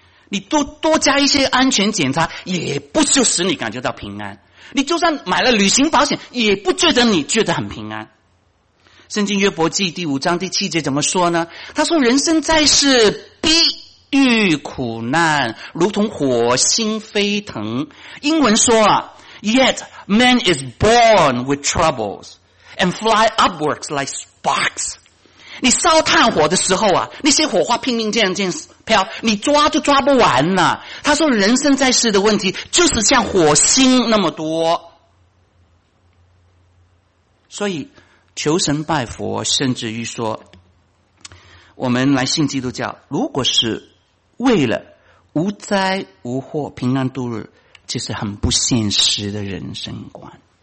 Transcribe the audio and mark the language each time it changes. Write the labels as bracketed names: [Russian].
[Chinese] 你多加一些安全检查也不就使你感觉到平安，你就算买了旅行保险也不觉得你觉得很平安。圣经约伯记第五章第七节怎么说呢？他说，人生在世逼遇苦难如同火星飞腾。 [English] 英文说啊， Yet man is born with troubles and fly upwards like sparks。 [Chinese] 你烧炭火的时候啊，那些火花拼命这样这样飘，你抓就抓不完了。他说人生在世的问题就是像火星那么多。所以求神拜佛，甚至于说我们来信基督教如果是为了无灾无祸平安度日，这是很不现实的人生观。